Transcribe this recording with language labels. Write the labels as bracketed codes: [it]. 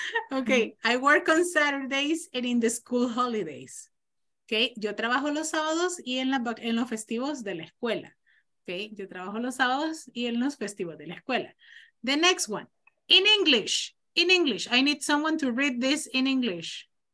[en] Okay, I work on Saturdays and in the school holidays. [es] Okay, yo trabajo los sábados y en los festivos de la escuela. Okay, yo trabajo los sábados y en los festivos de la escuela. [en] The next one. In English. I need someone to read this in English.